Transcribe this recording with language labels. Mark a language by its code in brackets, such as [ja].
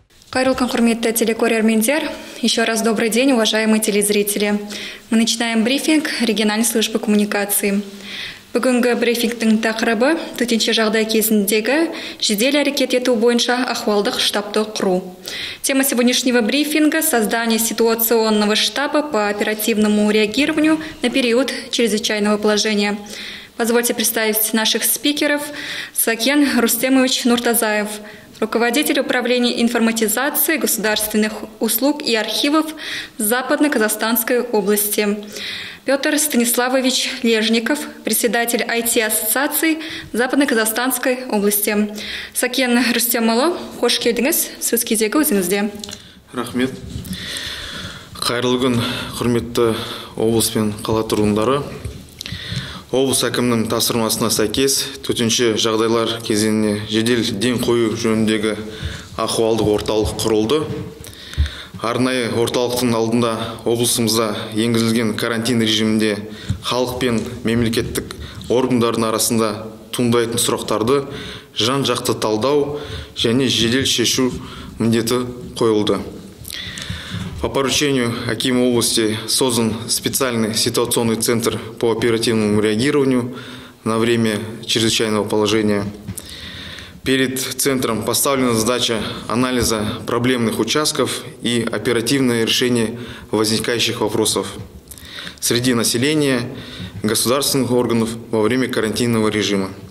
[kk] Кайрол Конхурмитте телекорермендер, [ru] еще раз добрый день, уважаемые телезрители. Мы начинаем брифинг региональной службы коммуникации. [kk] Бүгінгі брифингтің тақырыбы төтенше жағдай кезіндегі жедел әрекет ету бойынша ахуалдық штабты құру. [ru] Тема сегодняшнего брифинга – создание ситуационного штаба по оперативному реагированию на период чрезвычайного положения. Позвольте представить наших спикеров. Сакен Рустемович Нуртазаев, руководитель управления информатизации государственных услуг и архивов Западно-Казахстанской области. Петр Станиславович Лежников, председатель IT-ассоциации Западно-Казахстанской области. [kk] Сакен Рустемало, хош келдіңіз, сөз кезегі өзіңізде. Рахмет. Қайырлы күн, құрметті облыс пен қала тұрғындары. Облыс әкімінің тапсырмасына сәйкес төтенше жағдайлар кезеңіне жедел ден қою жөніндегі ахуалдық орталық құрылды. Арнайы орталықтың алдында облысымызда енгізілген карантин режимінде халық пен мемлекеттік органдардың арасында туындайтын сұрақтарды жан-жақты талдау және жедел шешу міндеті қойылды. [ru] По поручению Акима области создан специальный ситуационный центр по оперативному реагированию на время чрезвычайного положения. Перед центром поставлена задача анализа проблемных участков и оперативное решение возникающих вопросов среди населения, государственных органов во время карантинного режима.